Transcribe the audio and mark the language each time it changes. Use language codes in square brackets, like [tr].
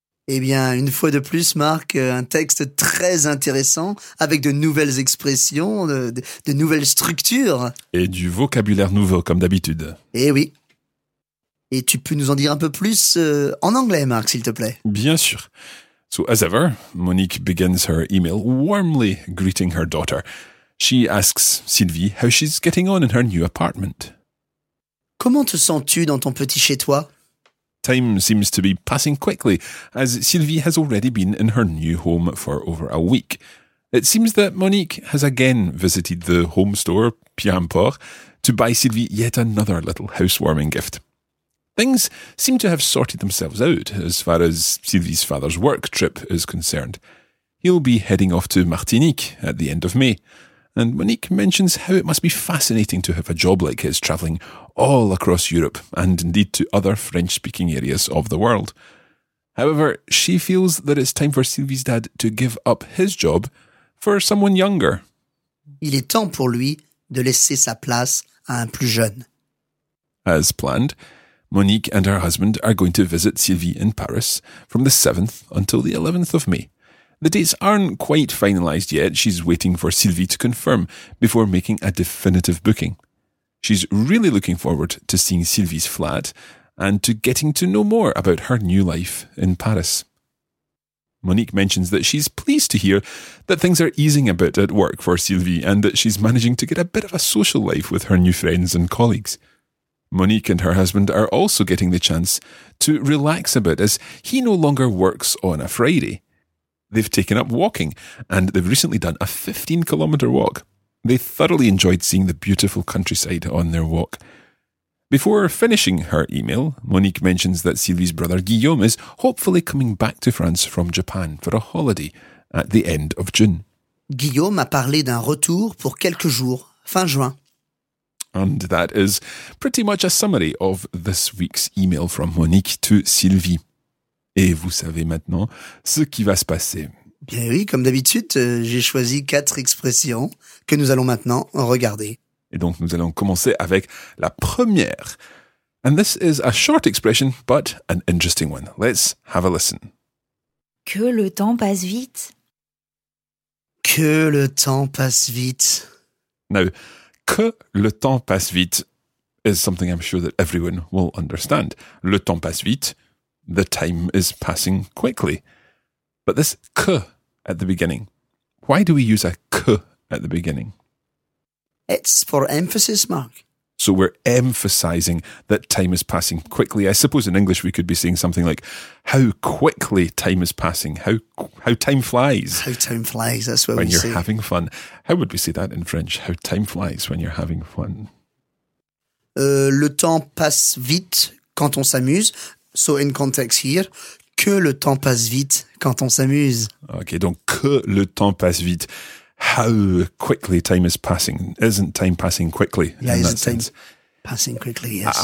[fr] Eh bien, une fois de plus, Marc, un texte très intéressant, avec de nouvelles expressions, de nouvelles structures. Et du vocabulaire nouveau, comme d'habitude. Eh oui. Et tu peux nous en dire un peu plus en anglais, Marc, s'il te plaît. Bien sûr. [en] So, as ever, Monique begins her email warmly greeting her daughter. She asks Sylvie how she's getting on in her new apartment. [fr] Comment te sens-tu dans ton petit chez-toi ? [en] Time seems to be passing quickly, as Sylvie has already been in her new home for over a week. It seems that Monique has again visited the home store, Pierre-Emport, to buy Sylvie yet another little housewarming gift. Things seem to have sorted themselves out as far as Sylvie's father's work trip is concerned. He'll be heading off to Martinique at the end of May, and Monique mentions how it must be fascinating to have a job like his travelling all across Europe and indeed to other French-speaking areas of the world. However, she feels that it's time for Sylvie's dad to give up his job for someone younger. [fr] Il est temps pour lui de laisser sa place à un plus jeune. [en] As planned, Monique and her husband are going to visit Sylvie in Paris from the 7th until the 11th of May. The dates aren't quite finalised yet. She's waiting for Sylvie to confirm before making a definitive booking. She's really looking forward to seeing Sylvie's flat and to getting to know more about her new life in Paris. Monique mentions that she's pleased to hear that things are easing a bit at work for Sylvie and that she's managing to get a bit of a social life with her new friends and colleagues. Monique and her husband are also getting the chance to relax a bit as he no longer works on a Friday. They've taken up walking, and they've recently done a 15-kilometre walk. They thoroughly enjoyed seeing the beautiful countryside on their walk. Before finishing her email, Monique mentions that Sylvie's brother Guillaume is hopefully coming back to France from Japan for a holiday at the end of June. [fr] Guillaume a parlé d'un retour pour quelques jours, fin juin. [en] And that is pretty much a summary of this week's email from Monique to Sylvie. [fr] Et vous savez maintenant ce qui va se passer. Bien oui, comme d'habitude, j'ai choisi quatre expressions que nous allons maintenant regarder. Et donc, nous allons commencer avec la première. [en] And this is a short expression, but an interesting one. Let's have a listen. [fr] Que le temps passe vite. Que le temps passe vite. [en] Now, [fr] que le temps passe vite [en] is something I'm sure that everyone will understand. [fr] Le temps passe vite. [en] The time is passing quickly. But this que at the beginning, why do we use a que at the beginning? It's for emphasis, Mark. So we're emphasizing that time is passing quickly. I suppose in English we could be saying something like, how quickly time is passing, how time flies. How time flies, that's what we say. When you're having fun. How would we say that in French? How time flies when you're having fun? [fr] Le temps passe vite quand on s'amuse. [en] So in context here, [fr] que le temps passe vite quand on s'amuse. Ok, donc que le temps passe vite. [en] How quickly time is passing. Isn't time passing quickly? Yeah, isn't time passing quickly, yes.